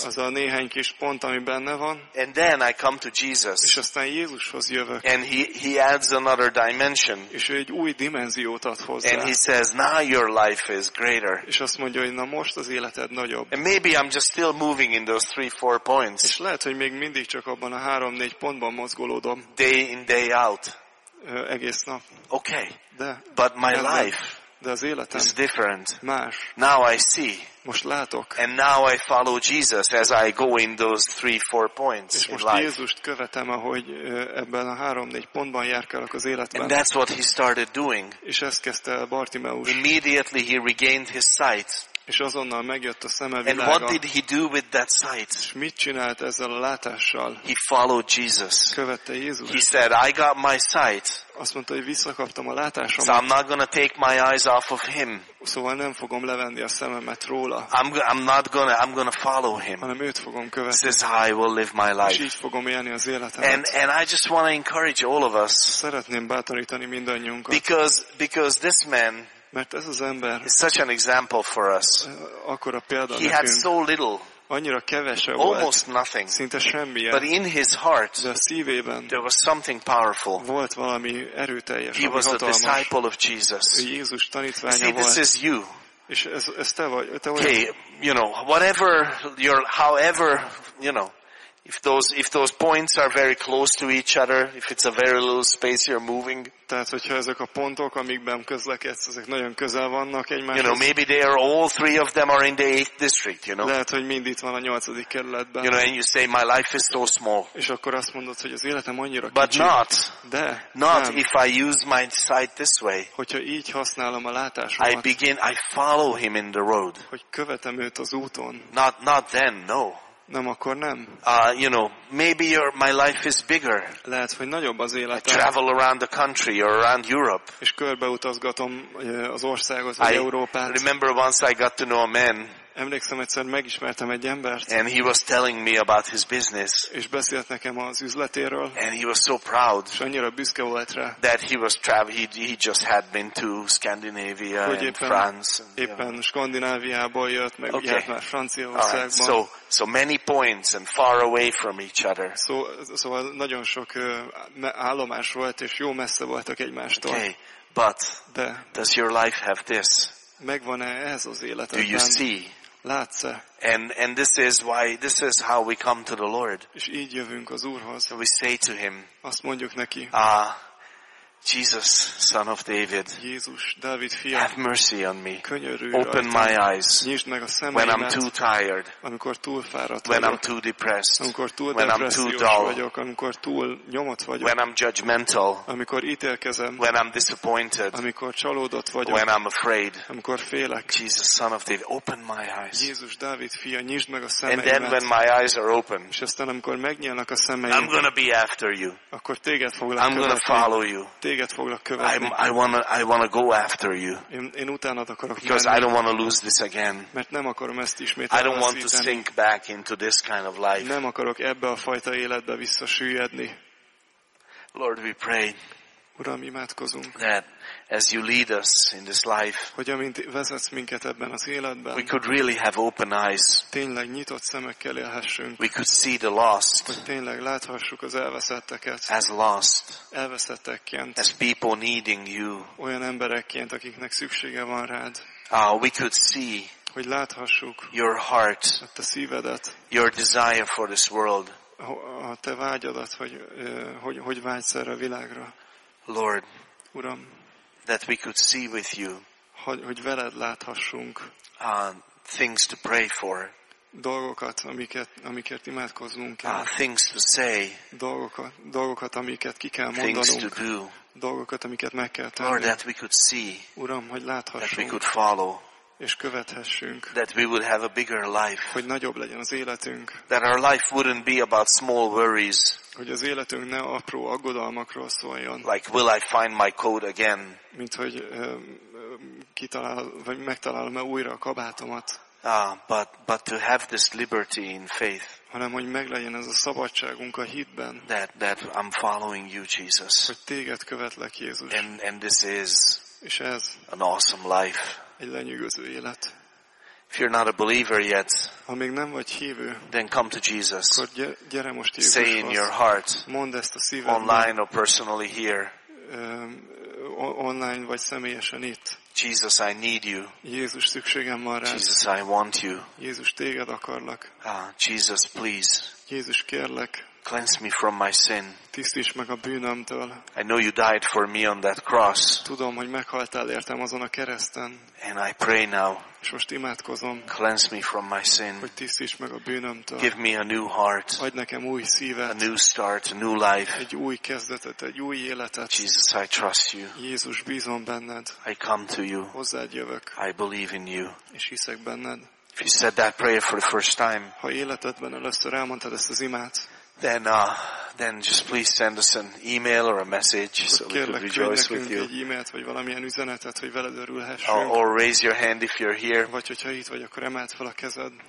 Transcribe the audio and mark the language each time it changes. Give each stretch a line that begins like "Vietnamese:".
Hungarian: Az a néhány kis pont, ami benne van.
English: And then I come to Jesus.
Hungarian: És aztán Jézushoz jövök.
English: And he adds another dimension.
Hungarian: És ő egy új dimenziót ad hozzá.
English: And he says, now your life is greater.
Hungarian: És azt mondja, hogy na most az életed nagyobb.
English: And maybe I'm just still moving in those 3-4 points.
Hungarian: És lehet, hogy még mindig csak abban a 3-4 pontban mozgolódom.
English: Day in, day out.
Hungarian: Egész nap.
English: Okay.
Hungarian: De.
English: But my life.
Hungarian: De az életem
English: is different.
Hungarian: Más.
English: Now I see.
Hungarian: Most látok.
English: And now I follow Jesus as I go in those 3-4 points in life.
Hungarian: És most Jézust követem, ahogy ebben a 3-4 pontban járkálok az életben.
English: And that's what he started doing.
Hungarian: És ezt kezdte Bartimeus.
English: Immediately he regained his sight.
Hungarian: És azonnal megjött a szeme világa.
English: And what did he do with that sight?
Hungarian: És mit csinált ezzel a látással?
English: He followed Jesus.
Hungarian: Követte Jézust.
English: He said, I got my sight.
Hungarian: Azt mondta, hogy visszakaptam a látásomat.
English: So I'm not gonna take my eyes off of him.
Hungarian: Szóval nem fogom levenni a szememet róla.
English: I'm gonna follow him.
Hungarian: Hanem őt fogom követni.
English: This is how I will live my life.
Hungarian: És így fogom élni az életemet.
English: And I just want to encourage all of us.
Hungarian: Szeretném bátorítani mindannyiunkat.
English: Because this man.
Hungarian: Mert ez az ember.
English: It's such an example for us.
Hungarian: Akkora példa nekünk.
English: He had so little.
Hungarian: Annyira kevese volt.
English: Almost nothing.
Hungarian: Szinte semmi.
English: But in his heart,
Hungarian: de a szívében,
English: there was something powerful.
Hungarian: Volt valami erőteljes,
English: he was a disciple of Jesus.
Hungarian: Ő Jézus tanítványa
English: see,
Hungarian: volt.
English: This is you.
Hungarian: És ez te vagy. Te
English: okay,
Hungarian: vagy.
English: You know, whatever your, however, you know, if those points are very close to each other, if it's a very little space you're moving.
Hungarian: Tehát, hogyha ezek a pontok, amikben közlekedsz, ezek nagyon közel vannak egymáshoz.
English: You know, maybe they are all three of them are in the 8th district, you know.
Hungarian: Lehet, hogy mind itt van a 8. kerületben.
English: You know, and you say, my life is so small.
Hungarian: És akkor azt mondod, hogy az életem annyira
English: but
Hungarian: kicsi.
English: Not,
Hungarian: de,
English: not nem. If I use my sight this way.
Hungarian: Hogyha így használom a látásomat.
English: I follow him in the road.
Hungarian: Hogy követem őt az úton.
English: Not then, no.
Hungarian: Nem, akkor nem.
English: You know, maybe your my life is bigger.
Hungarian: Lehet, hogy nagyobb az életem.
English: I travel around the country or around Europe.
Hungarian: És körbeutazgatom az országot, az Európát.
English: I remember once I got to know a man.
Hungarian: Emlékszem, egyszer megismertem egy embert.
English: And he was telling me about his business.
Hungarian: És beszélt nekem az üzletéről.
English: And he was so proud.
Hungarian: És annyira büszke volt rá.
English: That he was he just had been to Scandinavia and
Hungarian: éppen,
English: France. And,
Hungarian: éppen yeah. Skandináviából jött, meg okay. Járt már Franciaországban.
English: All right. So many points and far away from each other.
Hungarian: Szóval nagyon sok állomás volt, és jó messze voltak egymástól.
English: Okay. But
Hungarian: de.
English: Does your life have this?
Hungarian: Megvan-e ez az életedben?
English: Do you see?
Hungarian: látsz-e?
English: And this is why, this is how we come to the Lord.
Hungarian: És így jövünk az Úrhoz.
English: And we say to him,
Hungarian: azt mondjuk neki,
English: Jesus, son of David,
Hungarian: Jézus, Dávid fia,
English: have mercy on me.
Hungarian: Könyörülj
English: Open
Hungarian: rajta,
English: my eyes
Hungarian: nyisd meg a szemeimet,
English: when I'm too tired,
Hungarian: amikor túl fáradt
English: when
Hungarian: vagyok,
English: I'm too depressed,
Hungarian: amikor túl
English: when I'm too dull,
Hungarian: vagyok, amikor túl nyomott vagyok,
English: when I'm judgmental,
Hungarian: amikor ítélkezem,
English: when I'm disappointed,
Hungarian: amikor csalódott vagyok,
English: when I'm afraid,
Hungarian: amikor félek.
English: Jesus, son of David, open my eyes.
Hungarian: Jézus, Dávid fia, nyisd meg a szemeimet.
English: And then when my eyes are open,
Hungarian: és aztán, amikor megnyílnak a szemeim,
English: I'm gonna be after you.
Hungarian: Akkor téged foglak követni.
English: I'm gonna follow you.
Hungarian: Téged foglak követni.
English: I wanna go after you.
Hungarian: Én utánad akarok
English: because
Hungarian: menni.
English: I don't wanna lose this again.
Hungarian: Mert nem akarom ezt ismét.
English: I don't want to sink back into this kind of life.
Hungarian: Nem akarok ebbe a fajta életbe visszasüllyedni.
English: Lord, we pray.
Hungarian: Uram, imádkozunk.
English: That as you lead us in this life.
Hungarian: Hogy amint vezetsz minket ebben az életben.
English: We could really have open eyes.
Hungarian: Tényleg nyitott szemekkel élhessünk.
English: We could see the lost.
Hungarian: Hogy tényleg láthassuk az elveszetteket.
English: As lost.
Hungarian: Elveszettekként.
English: As people needing you.
Hungarian: Olyan emberekként, akiknek szüksége van rád.
English: We could see.
Hungarian: Hogy láthassuk.
English: Your heart.
Hungarian: A te szívedet.
English: Your desire for this world.
Hungarian: A te vágyadat, hogy vágysz erre a világra.
English: Lord,
Hungarian: Uram,
English: that we could see with you,
Hungarian: hogy veled láthassunk,
English: things to pray for,
Hungarian: dolgokat, amiket imádkoznunk kell,
English: things to say,
Hungarian: dolgokat, amiket ki kell mondanunk,
English: things to do,
Hungarian: dolgokat, amiket meg kell tenni,
English: Lord, that we could see,
Hungarian: Uram, hogy láthassunk,
English: that we could follow,
Hungarian: és követhessünk,
English: that we would have a bigger life,
Hungarian: hogy nagyobb legyen az életünk,
English: that our life wouldn't be about small worries.
Hungarian: Hogy az életünk ne apró aggodalmakról szóljon.
English: Like, will I find my coat again?
Hungarian: Mint hogy megtalálom-e újra a kabátomat.
English: But to have this liberty in faith.
Hungarian: Hanem hogy meglegyen ez a szabadságunk a hitben.
English: That I'm following you, Jesus.
Hungarian: Hogy téged követlek, Jézus.
English: And this is.
Hungarian: És ez.
English: An awesome life.
Hungarian: Egy lenyűgöző élet.
English: If you're not a believer yet,
Hungarian: ha még nem vagy hívő,
English: then come to Jesus.
Hungarian: Akkor gyere most Jézushoz.
English: Say in your heart,
Hungarian: mondd ezt a szívedben,
English: online or personally here.
Hungarian: Online vagy személyesen itt.
English: Jesus, I need you.
Hungarian: Jézus, szükségem van rád.
English: Jesus, I want you.
Hungarian: Jézus, téged akarlak.
English: Jesus, please.
Hungarian: Jézus, kérlek.
English: Cleanse me from my sin.
Hungarian: Tisztíts meg a bűnömtől.
English: I know you died for me on that cross.
Hungarian: Tudom, hogy meghaltál értem azon a kereszten.
English: And I pray now.
Hungarian: És most imádkozom.
English: Cleanse me from my sin.
Hungarian: Hogy tisztíts meg a bűnömtől.
English: Give me a new heart.
Hungarian: Adj nekem új szívet.
English: A new start, a new life.
Hungarian: Egy új kezdetet, egy új életet.
English: Jesus, I trust you.
Hungarian: Jézus, bízom benned.
English: I come to you.
Hungarian: Hozzád jövök.
English: I believe in you.
Hungarian: És hiszek benned.
English: If you said that prayer for the first time.
Hungarian: Ha életedben először elmondtad ezt az imát.
English: Then just please send us an email or a message so
Hungarian: kérlek,
English: we could rejoice with you.
Hungarian: Egy e-mailt, vagy valamilyen üzenetet, hogy veled örülhessünk.
English: Or raise your hand if you're here.
Hungarian: Vagy hogyha itt vagy, akkor emeld fel a kezed.